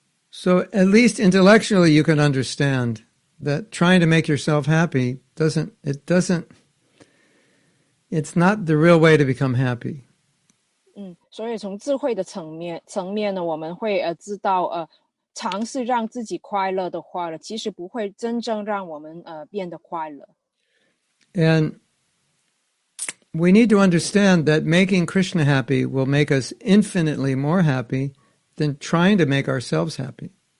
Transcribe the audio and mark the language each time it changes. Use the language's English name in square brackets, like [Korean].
[English] So at least intellectually you can understand that trying to make yourself happy it's not the real way to become happy. [Chinese] 所以从智慧的层面呢，我们会知道，尝试让自己快乐的话呢，其实不会真正让我们变得快乐。 [English] And we need to understand that making Krishna happy will make us infinitely more happy than trying to make ourselves happy.